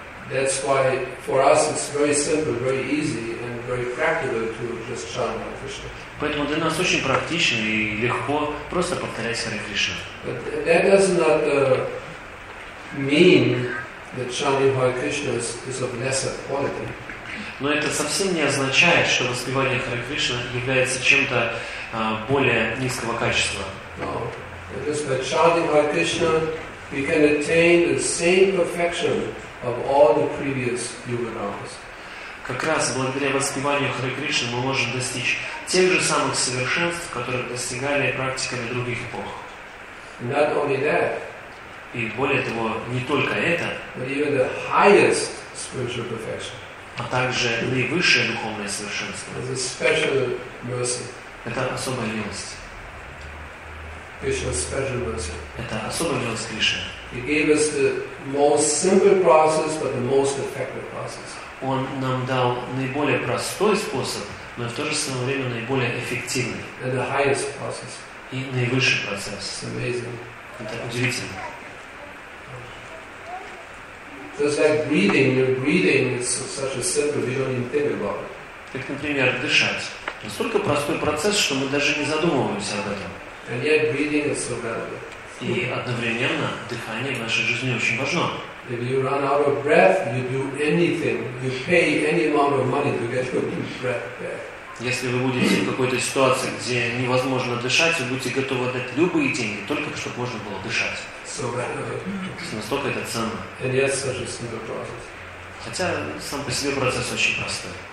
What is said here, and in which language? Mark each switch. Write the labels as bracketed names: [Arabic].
[English] That's why for us it's very simple, very easy, and very practical to just chant Hare Krishna. [Russian] Поэтому для нас очень практично и легко просто повторять Харе Кришна. [English] But that does not mean that chanting Hare Krishna is of lesser quality. [Russian] Но это совсем не означает, что воспевание Харе Кришна является чем-то более низкого качества. [English] No. Just by chanting Hare Krishna, we can attain the same perfection of all the previous yuga dharmas. [Russian] Как раз благодаря воспеванию Харе Кришны мы можем достичь тех же самых совершенств, которые достигали практиками других эпох. [English] Not only that. [Russian] И более того, не только это. [English] But even the highest spiritual perfection. [Russian] А также наивысшее духовное совершенство. [English] It's a special mercy. [Russian] Это особая милость. [English] Krishna's special mercy. [Russian] Это особая милость Кришны. [English] He gave us the most simple process, but the most effective process. [Russian] Он нам дал наиболее простой способ, но в то же самое время наиболее эффективный. [English] And the highest process. [Russian] И наивысший процесс. [English] It's amazing. [Russian] Это удивительно. [English] Just like breathing, your breathing is such a simple, we don't even think about it. [Russian] Так, например, дышать. Настолько простой процесс, что мы даже не задумываемся об этом. [English] And yet, breathing is so valuable. [Russian] И одновременно дыхание в нашей жизни очень важно. [English] If you run out of breath, you do anything. You pay any amount of money to get your breath back. [Russian] Если вы будете в какой-то ситуации, где невозможно дышать, вы будете готовы отдать любые деньги, только чтобы можно было дышать. [English] So valuable. [Russian] Настолько это ценно. [English] And yet, such a simple process. [Russian] Хотя сам по себе процесс очень простой.